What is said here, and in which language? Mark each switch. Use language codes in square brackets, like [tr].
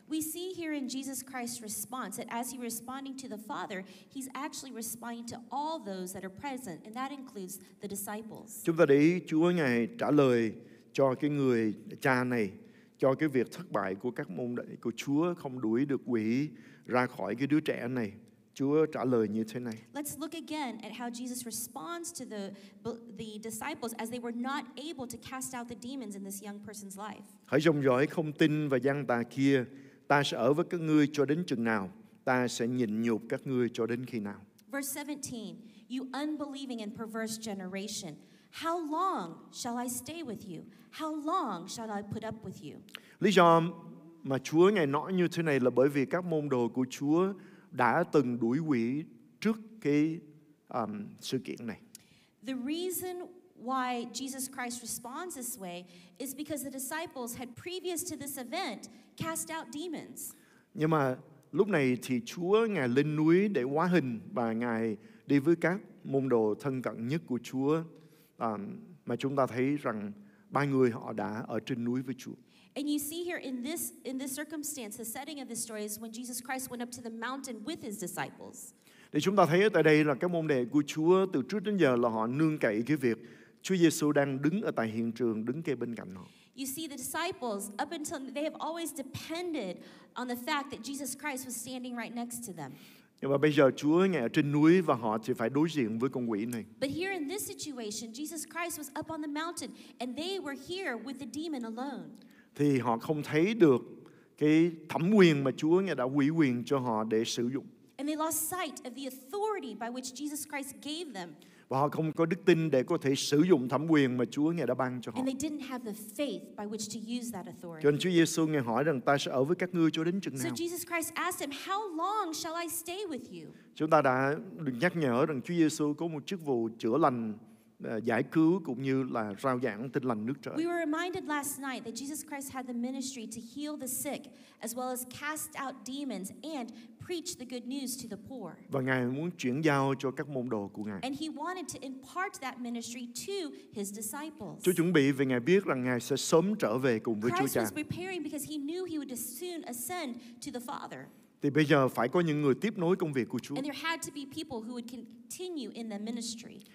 [en] We see here in Jesus Christ's response that as he's responding to the Father, he's actually responding to all those that are present, and that includes the disciples. [vi] Chúng ta để ý Chúa Ngài trả lời cho cái người cha này, cho cái việc thất bại của các môn đệ của Chúa không đuổi được quỷ ra khỏi cái đứa trẻ này. Chúa trả lời như thế này. [en] Let's look again at how Jesus responds to the disciples as they were not able to cast out the demons in this young person's life. [vi] Hỡi dòng dõi không tin và gian tà kia, ta sẽ ở với các ngươi cho đến chừng nào? Ta sẽ nhịn nhục các ngươi cho đến khi nào? [en] Verse 17. You unbelieving and perverse generation, how long shall I stay with you? How long shall I put up with you? [vi] Lý do mà Chúa Ngài nói như thế này là bởi vì các môn đồ của Chúa đã từng đuổi quỷ trước cái sự kiện này. [en] The reason why Jesus Christ responds this way is because the disciples had previous to this event cast out demons. [vi] Nhưng mà lúc này thì Chúa Ngài lên núi để hóa hình và Ngài đi với các môn đồ thân cận nhất của Chúa, mà chúng ta thấy rằng ba người họ đã ở trên núi với Chúa. [en] And you see here in this circumstance, the setting of the story is when Jesus Christ went up to the mountain with his disciples. [vi] Để chúng ta thấy ở tại đây là các môn đệ của Chúa từ trước đến giờ là họ nương cậy cái việc Chúa Giêsu đang đứng ở tại hiện trường, đứng kề bên cạnh họ. [en] You see the disciples up until they have always depended on the fact that Jesus Christ was standing right next to them. [vi] Nhưng mà bây giờ Chúa Ngài ở trên núi và họ thì phải đối diện với con quỷ này. [en] But here in this situation, Jesus Christ was up on the mountain and they were here with the demon alone. [vi] Thì họ không thấy được cái thẩm quyền mà Chúa Ngài đã ủy quyền cho họ để sử dụng. [en] And they lost sight of the authority by which Jesus Christ gave them. [vi] Và họ không có đức tin để có thể sử dụng thẩm quyền mà Chúa Ngài đã ban cho họ. [en] And they didn't have the faith by which to use that authority. [vi] Cho nên Chúa Giêsu Ngài hỏi rằng: Ta sẽ ở với các ngươi cho đến chừng nào? [en] So Jesus Christ asked him, how long shall I stay with you? [vi] Chúng ta đã được nhắc nhở rằng Chúa Giêsu có một chức vụ chữa lành, giải cứu cũng như là rao giảng tin lành nước trời. [en] We were reminded last night that Jesus Christ had the ministry to heal the sick as well as cast out demons and preach the good news to the poor. [vi] Và Ngài muốn chuyển giao cho các môn đồ của Ngài. [en] And he wanted to impart that ministry to his disciples. [vi] Chúa chuẩn bị vì Ngài biết rằng Ngài sẽ sớm trở về cùng với [en] Christ [vi] Chúa Cha. [en] Christ was preparing because he knew he would soon ascend to the Father. [vi] Thì bây giờ phải có những người tiếp nối công việc của Chúa. [en] And there had to be people who would continue in the ministry.